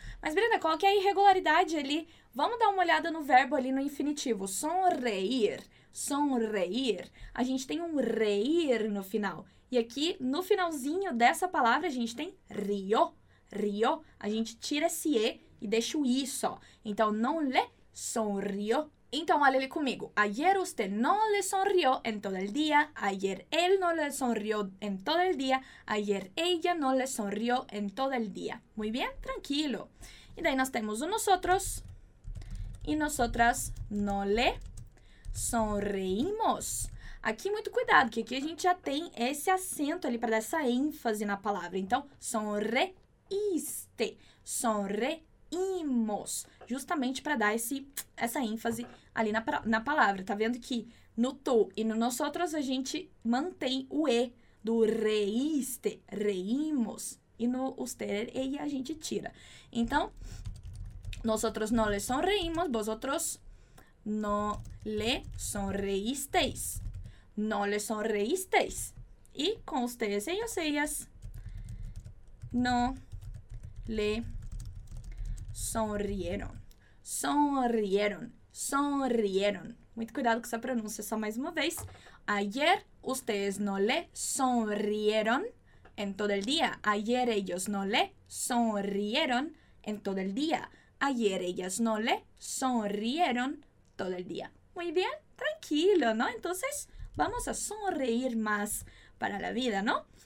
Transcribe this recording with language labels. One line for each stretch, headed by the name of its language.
Portuguese: Mas, Brenda, qual que é a irregularidade ali? Vamos dar uma olhada no verbo ali no infinitivo. Sonreír. Sonreír. A gente tem um reír no final. E aqui, no finalzinho dessa palavra, a gente tem rió. Rió. A gente tira esse E e deixa o I só. Então,
Spanish: no le sonrió.
Portuguese: Então, olha ali comigo.
Spanish: Ayer usted no le sonrió en todo el día. Ayer él no le sonrió en todo el día. Ayer ella no le sonrió en todo el día. Muy bien, tranquilo. Y de ahí nos tenemos nosotros. Y nosotras no le sonreímos.
Portuguese: Aqui, muito cuidado, que aqui a gente já tem esse acento ali para dar essa ênfase na palavra. Então, sonreíste. Sonreímos. Justamente para dar essa ênfase ali na palavra. Tá vendo que no tu e no nosotros a gente mantém o E do reíste, reímos. E no usted e a gente tira. Então,
Spanish: Nosotros no le sonreímos, vosotros no le sonreísteis. No le sonreísteis. Y con ustedes, ellos, ellas, no le sonrieron. Sonrieron, sonrieron.
Portuguese: Muito cuidado que se pronuncie só mais uma vez.
Spanish: Ayer ustedes no le sonrieron en todo el día. Ayer ellos no le sonrieron en todo el día. Ayer ellas no le sonrieron todo el día. Muy bien, tranquilo, ¿no? Entonces vamos a sonreír más para la vida, ¿no?